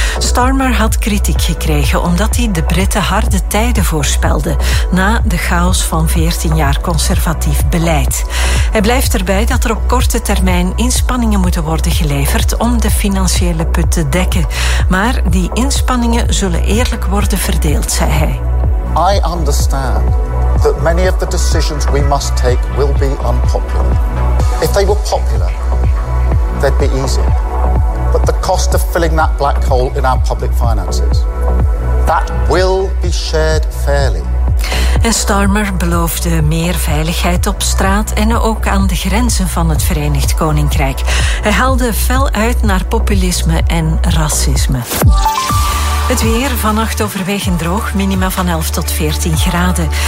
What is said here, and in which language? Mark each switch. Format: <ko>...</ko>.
<nl>Starmer had kritiek gekregen omdat hij de Britten harde tijden voorspelde na de chaos van 14 jaar conservatief beleid. Hij blijft erbij dat er op korte termijn inspanningen moeten worden geleverd om de financiële put te dekken. Maar die inspanningen zullen eerlijk worden verdeeld, zei hij.</nl> <en>I understand that many of the decisions we must take will be unpopular. If they were popular, they'd be easy. But the cost of filling that black hole in our public finances, that will be shared fairly.</en> <nl>En Starmer beloofde meer veiligheid op straat en ook aan de grenzen van het Verenigd Koninkrijk. Hij haalde fel uit naar populisme en racisme. Het weer, vannacht overwegend droog, minima van 11 tot 14 graden.</nl>